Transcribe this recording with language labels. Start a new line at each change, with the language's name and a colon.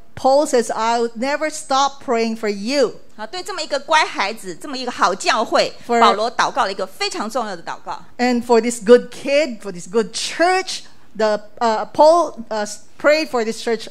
English: Paul says, I'll never stop praying for you.
Chinese: 对这么一个乖孩子, 这么一个好教会, for, 保罗祷告了一个非常重要的祷告。
English: And for this good kid, for this good church, Paul prayed for this church.